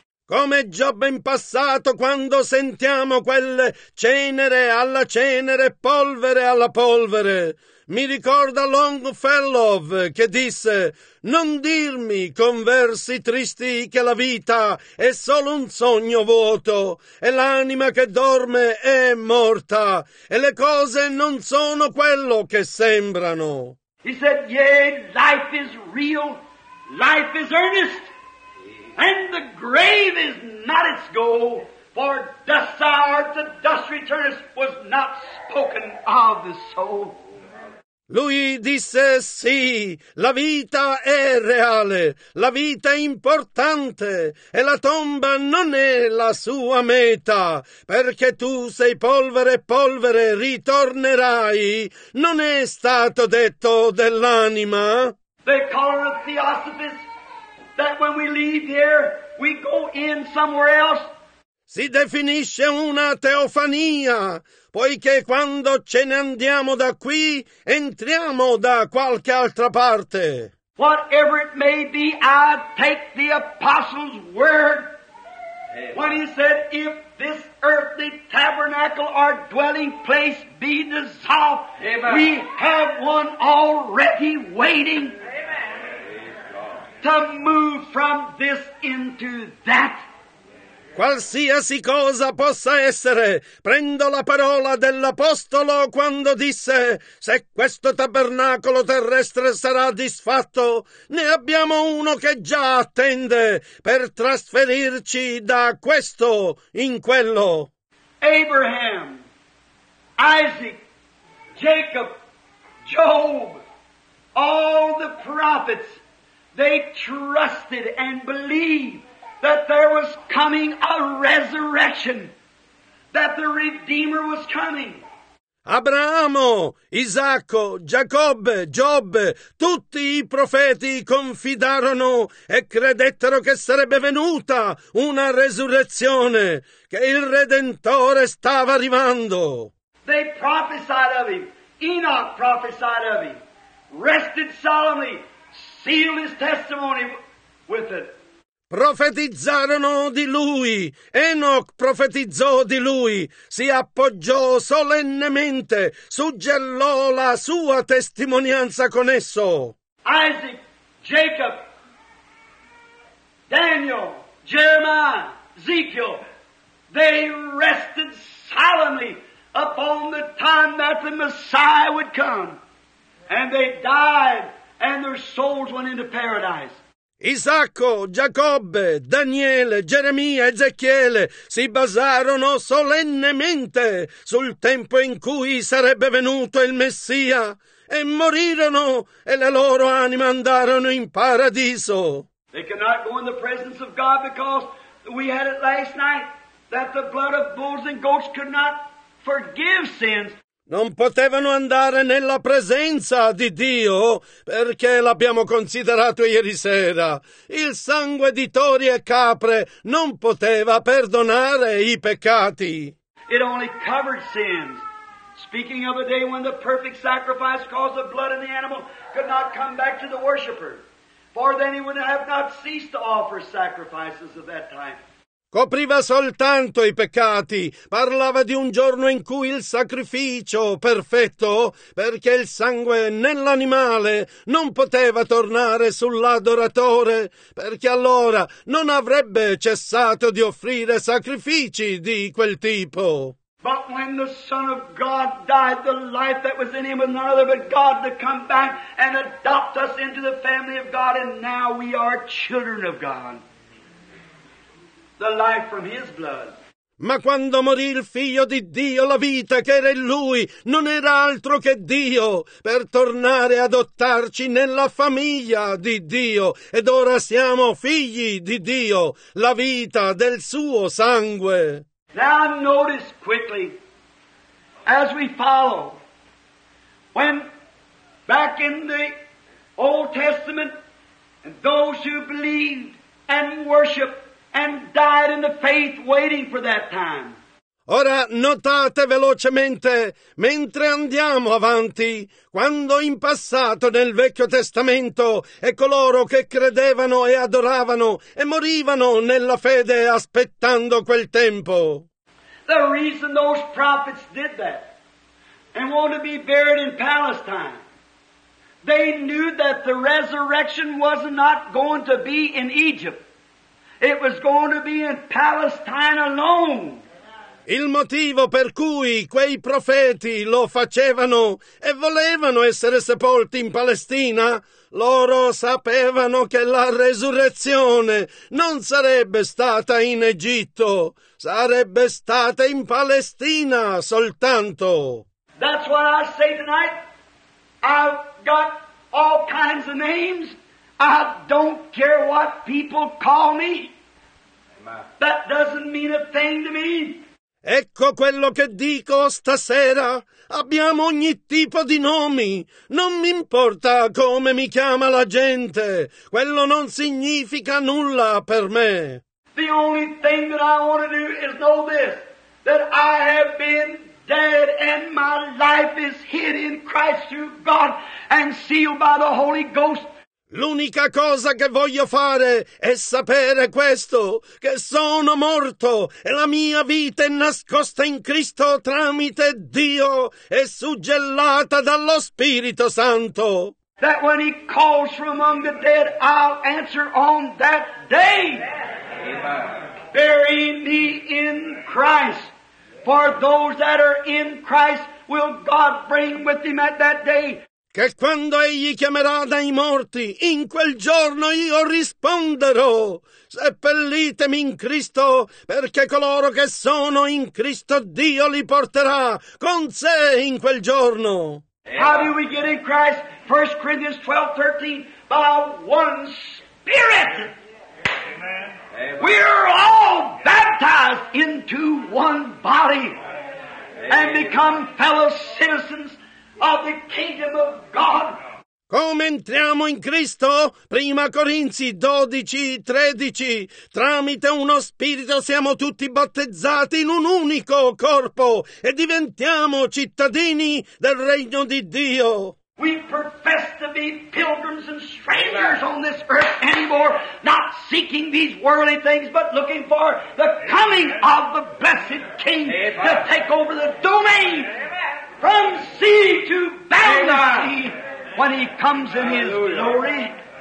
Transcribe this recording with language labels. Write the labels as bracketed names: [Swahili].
[Italian] Come Giobbe in passato, quando sentiamo quelle cenere alla cenere, polvere alla polvere. Mi ricorda Longfellow che disse, non dirmi con versi tristi che la vita è solo un sogno vuoto, e l'anima che dorme è morta, e le cose non sono quello che sembrano. [English] He said, yea, life is real, life is earnest. And the grave is not its goal, for dust thou art, the dust returns, was not spoken of the soul. [Italian] Lui disse, sì, la vita è reale, la vita è importante, e la tomba non è la sua meta, perché tu sei polvere, polvere, ritornerai. Non è stato detto dell'anima? [English] They call it theosophist. That when we leave here, we go in somewhere else. [Italian] Si definisce una teofania, poiché quando ce ne andiamo da qui, entriamo da qualche altra parte. [English] Whatever it may be, I take the apostle's word. When he said, if this earthly tabernacle or dwelling place be dissolved, amen, we have one already waiting. To move from this into that. [Italian] Qualsiasi cosa possa essere, prendo la parola dell'apostolo quando disse, se questo tabernacolo terrestre sarà disfatto, ne abbiamo uno che già attende per trasferirci da questo in quello. [English] Abraham, Isaac, Jacob, Job, all the prophets, they trusted and believed that there was coming a resurrection, that the Redeemer was coming. [Italian] Abramo, Isacco, Giacobbe, Giobbe, tutti i profeti confidarono e credettero che sarebbe venuta una resurrezione, che il Redentore stava arrivando. [English] They prophesied of him. Enoch prophesied of him. Rested solemnly. Sealed his testimony with it. [Italian] Profetizzarono di lui. Enoch profetizzò di lui. Si appoggiò solennemente. Suggellò la sua testimonianza con esso. [English] Isaac, Jacob, Daniel, Jeremiah, Ezekiel. They rested solemnly upon the time that the Messiah would come. And they died. And their souls went into paradise. [Italian] Isacco, Giacobbe, Daniele, Geremia, Ezechiele si basarono solennemente sul tempo in cui sarebbe venuto il Messia e morirono e le loro anime andarono in paradiso. [English] They cannot go in the presence of God because we had it last night that the blood of bulls and goats could not forgive sins. [Italian] Non potevano andare nella presenza di Dio, perché l'abbiamo considerato ieri sera. Il sangue di tori e capre non poteva perdonare i peccati. [English] It only covered sins. Speaking of a day when the perfect sacrifice caused the blood of the animal could not come back to the worshiper. For then he would have not ceased to offer sacrifices of that time. [Italian] Copriva soltanto i peccati, parlava di un giorno in cui il sacrificio perfetto, perché il sangue nell'animale non poteva tornare sull'adoratore, perché allora non avrebbe cessato di offrire sacrifici di quel tipo. [English] But when the Son of God died, the life that was in him was none other but God to come back and adopt us into the family of God, and now we are children of God. The life from his blood. [Italian] Ma quando morì il figlio di Dio, la vita che era in lui non era altro che Dio, per tornare ad adottarci nella famiglia di Dio. Ed ora siamo figli di Dio, la vita del suo sangue. [English] Now notice quickly, as we follow, when back in the Old Testament, those who believed and worshiped and died in the faith waiting for that time. [Italian] Ora notate velocemente, mentre andiamo avanti, quando in passato nel Vecchio Testamento e coloro che credevano e adoravano e morivano nella fede aspettando quel tempo. [English] The reason those prophets did that and wanted to be buried in Palestine, they knew that the resurrection was not going to be in Egypt. It was going to be in Palestine alone. [Italian] Il motivo per cui quei profeti lo facevano e volevano essere sepolti in Palestina, loro sapevano che la resurrezione non sarebbe stata in Egitto, sarebbe stata in Palestina soltanto. [English] That's what I say tonight. I've got all kinds of names. I don't care what people call me. That doesn't mean a thing to me. [Italian] Ecco quello che dico stasera. Abbiamo ogni tipo di nomi. Non mi importa come mi chiama la gente. Quello non significa nulla per me. [English] The only thing that I want to do is know this, that I have been dead and my life is hid in Christ through God and sealed by the Holy Ghost. [Italian] L'unica cosa che voglio fare è sapere questo, che sono morto e la mia vita è nascosta in Cristo tramite Dio e suggellata dallo Spirito Santo. [English] That when he calls from among the dead, I'll answer on that day. Bury me in Christ. For those that are in Christ will God bring with him at that day. [Italian] Che quando egli chiamerà dai morti, in quel giorno io risponderò. Seppellitemi in Cristo, perché coloro che sono in Cristo Dio li porterà con sé in quel giorno. [English] How do we get in Christ? 1 Corinthians 12:13, by one Spirit. We are all baptized into one body and become fellow citizens of the kingdom of God. [Italian] Come entriamo in Cristo? 1 Corinzi 12:13. Tramite uno spirito siamo tutti battezzati in un unico corpo e diventiamo cittadini del regno di Dio. [English] We profess to be pilgrims and strangers on this earth anymore, not seeking these worldly things, but looking for the coming of the blessed King to take over the domain from sea to boundless sea when he comes in his glory.